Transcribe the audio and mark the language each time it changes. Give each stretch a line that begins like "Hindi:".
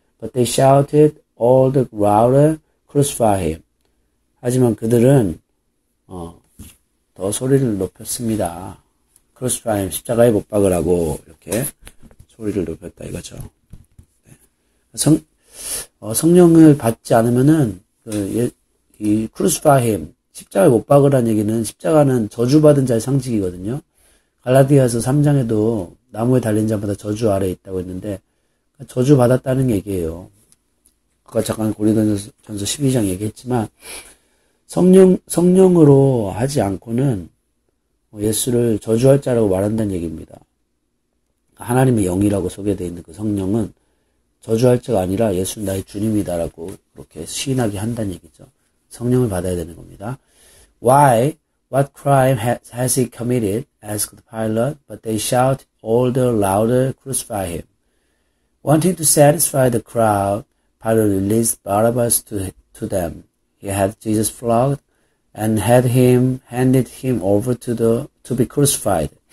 English: But they shouted all the louder crucify him.
Korean: 하지만 그들은 더 소리를 높였습니다.
English: Crucify him,
Korean: 십자가에 못 박으라고 이렇게 소리를 높였다 이거죠. 성령을 받지 않으면은 이
English: Crucify him,
Korean: 십자가에 못 박으라는 얘기는 십자가는 저주받은 자의 상징이거든요. 갈라디아서 3장에도 나무에 달린 자마다 저주 아래에 있다고 했는데 저주받았다는 얘기예요. 아까 잠깐 고린도전서 12장 얘기했지만 성령으로 하지 않고는 예수를 저주할 자라고 말한다는 얘기입니다. 하나님의 영이라고 소개되어 있는 그 성령은 저주할 자가 아니라 예수는 나의 주님이다라고 그렇게 시인하게 한다는 얘기죠. 성령을 받아야 되는 겁니다.
English: Why? What crime has he committed? Asked Pilate, but they shout all the louder, crucify him. Wanting to satisfy the crowd, Pilate released Barabbas to them. He had Jesus flogged and handed him over to be crucified.